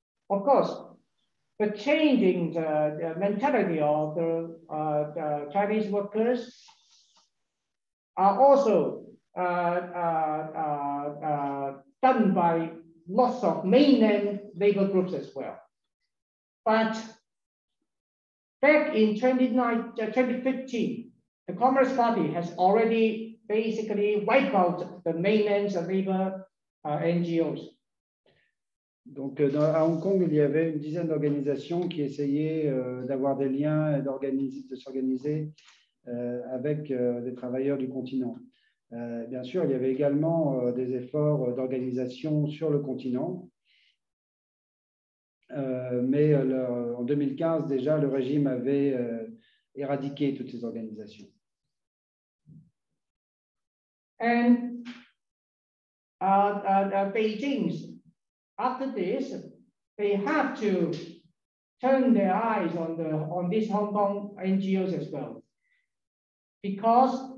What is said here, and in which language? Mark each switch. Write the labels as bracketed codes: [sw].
[en] Of course, the changing the mentality of the Chinese workers are also done by lots of mainland labor groups as well. But back in 2015, The Commerce Party has already basically wiped out the mainland's labor NGOs. [fr] Donc, à Hong Kong, il y avait une dizaine d'organisations qui essayaient d'avoir des liens et de s'organiser avec des travailleurs du continent. Bien sûr, il y avait également des efforts d'organisation sur le continent. Mais en 2015, déjà, le régime avait éradiqué toutes ces organisations. [en] And Beijing's, after this, they have to turn their eyes on the on these Hong Kong NGOs as well, because